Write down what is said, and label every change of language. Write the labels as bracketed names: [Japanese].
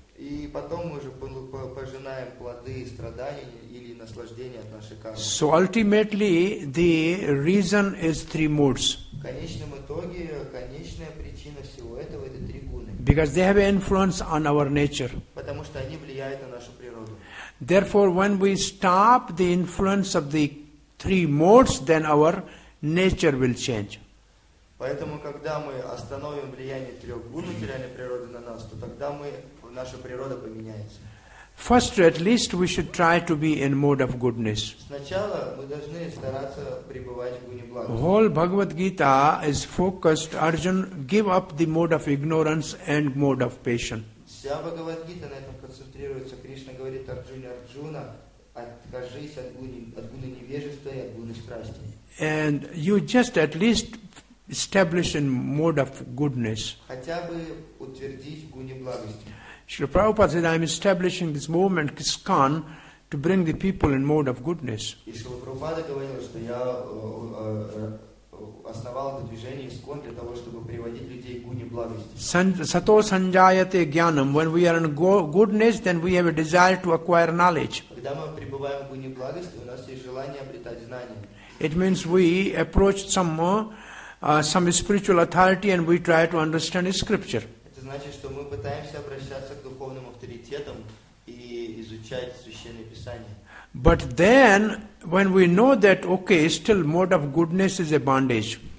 [Russian] И потом мы уже пожинаем плоды страданий или наслаждения от нашей кармы. [English] So ultimately the reason is three modes. [Russian] В конечном итоге конечная причина всего этого это три гуны. [English] Because they have influence on our nature. [Russian] Потому что они влияют на нашу природу. [English] Therefore, when we stop the influence of the three modes, then our nature will change. [Russian] Поэтому когда мы остановим влияние трех гун материальной природы на нас, то тогда мы наша природа поменяется. [English] First, at least, we should try to be in mode of goodness. [Russian] Сначала мы должны стараться пребывать в гуне благости. [English] Whole Bhagavad Gita is focused, Arjun, give up the mode of ignorance and mode of passion. [Russian] Вся Бхагавад Гита на этом концентрируется. Кришна говорит Арджуна, откажись от гуны невежества и от гуны страсти. [English] And you just at least establish in mode of goodness. [Russian] Хотя бы утвердись в гуне благости. [English] Srila Prabhupada said, I am establishing this movement, KISKCON, to bring the people in mode of goodness. [Russian] И Шрила Прабхупада говорил, что я основал это движение ИСККОН для того, чтобы приводить людей к гуне благости. [Sanskrit] Сато санджаяте гьянам. [English] When we are in goodness, then we have a desire to acquire knowledge. [Russian] Когда мы пребываем в гуне благости, у нас есть желание обретать знания. [English] It means we approach some spiritual authority and we try to understand his scripture. [Russian] Это значит, что мы пытаемся обращаться к духовным авторитетам и изучать Священное Писание. [English] But then, when we know that, okay, still mode of goodness is a bondage.